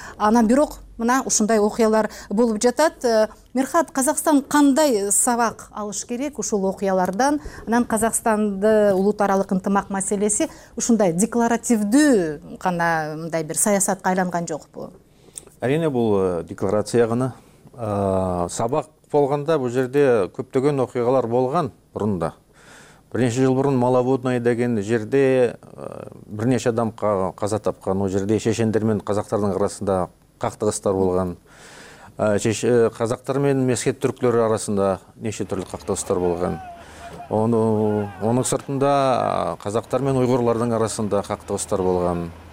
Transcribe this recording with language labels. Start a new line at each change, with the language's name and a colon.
Kyrgyz: Анан бирок мына ушундай окуялар болуп жатат. Мирхат, Казакстан кандай сабак алыш керек ушул окуялардан? Анан Казакстанды улут аралык ынтымак маселеси ушундай декларативдүү гана мындай бир саясатка айланган жокпу? Арине, бул декларация гана. Сабак болгонда бул жерде көптөгөн окуялар болгон мурунда.
Kazakh: Бірнеше жыл бұрын Маловодное деген жерде бірнеше адам қаза тапқан. Ол жерде шешендер мен қазақтардың арасында қақтығыстар болған. Қазақтар мен мескет түрклері арасында неше түрлі қақтығыстар болған. Оның сыртында қазақтар мен ұйғырлардың арасында қақтығыстар болған.